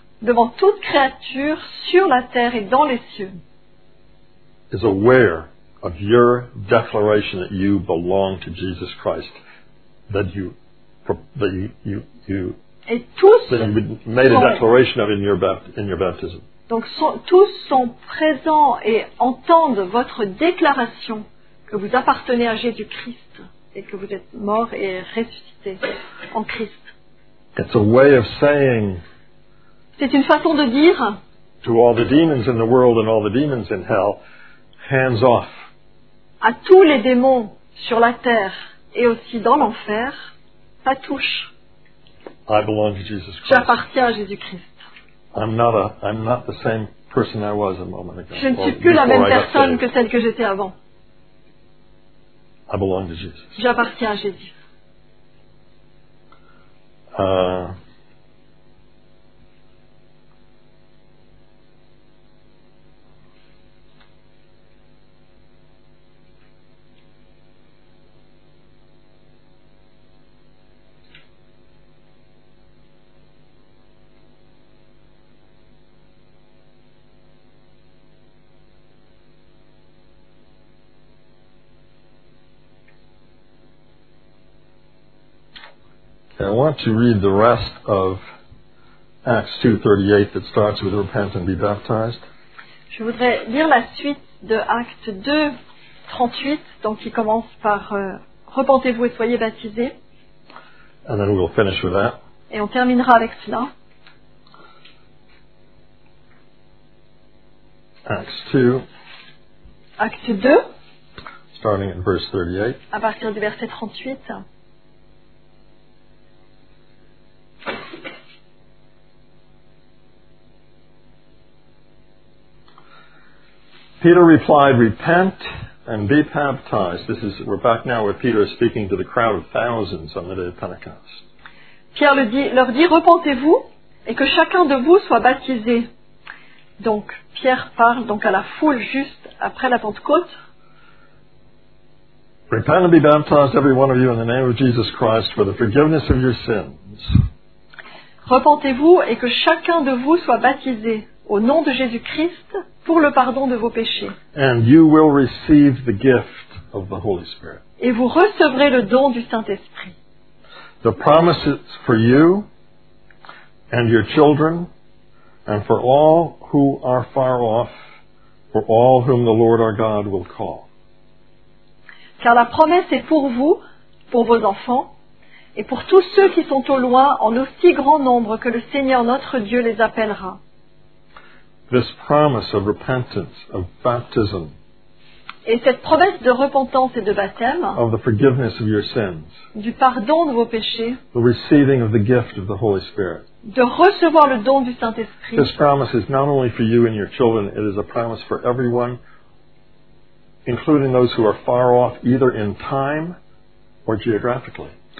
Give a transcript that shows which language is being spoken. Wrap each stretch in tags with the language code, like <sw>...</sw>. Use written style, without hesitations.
<fr>Devant toute créature sur la terre et dans les cieux.</fr> <en>Is aware of your declaration that you belong to Jesus Christ, that you made a declaration of in your baptism.</en> <fr>Donc tous sont présents et entendent votre déclaration que vous appartenez à Jésus Christ et que vous êtes mort et ressuscité en Christ.</fr> <en>It's a way of saying.</en> <fr>C'est une façon de dire.</fr> <en>To all the demons in the world and all the demons in hell. Hands off.</en> <fr>À tous les démons sur la terre et aussi dans l'enfer, pas touche.</fr> <en>I belong to Jesus Christ.</en> <fr>J'appartiens à Jésus Christ.</fr> <en>I'm not the same person I was a moment ago.</en> <fr>Je ne suis plus la même personne que celle que j'étais avant.</fr> <en>I belong to Jesus.</en> <fr>J'appartiens à Jésus.</fr> <en>I want to read the rest of Acts 2:38 that starts with repent and be baptized.</en> <fr>Je voudrais lire la suite de Acte 2:38, donc qui commence par repentez-vous et soyez baptisés.</fr> <en>And then we'll finish with that.</en> <fr>Et on terminera avec cela.</fr> <en>Acte 2. Starting at verse 38.</en> <fr>À partir du verset 38.</fr> <en>Peter replied, repent and be baptized. This is, we're back now where Peter is speaking to the crowd of thousands on the day of Pentecost.</en> <fr>Pierre leur dit, repentez-vous et que chacun de vous soit baptisé. Donc, Pierre parle donc à la foule juste après la Pentecôte.</fr> <en>Repent and be baptized, every one of you, in the name of Jesus Christ for the forgiveness of your sins.</en> <fr>Repentez-vous et que chacun de vous soit baptisé au nom de Jésus-Christ pour le pardon de vos péchés.</fr> <en>And you will receive the gift of the Holy Spirit.</en> <fr>Et vous recevrez le don du Saint-Esprit.</fr> <en>The promises for you and your children and for all who are far off, for all whom the Lord our God will call.</en> <fr>Car la promesse est pour vous, pour vos enfants, et pour tous ceux qui sont au loin, en aussi grand nombre que le Seigneur notre Dieu les appellera.</fr> <en>This promise of repentance, of baptism,</en> <fr>et cette promesse de repentance et de baptême,</fr> <en>of the forgiveness of your sins,</en> <fr>du pardon de vos péchés,</fr> <en>the receiving of the gift of the Holy Spirit,</en> <fr>de recevoir le don du Saint-Esprit,</fr> <en>this promise is not only for you and your children, it is a promise for everyone, including those who are far off, either in time or geographically.</en>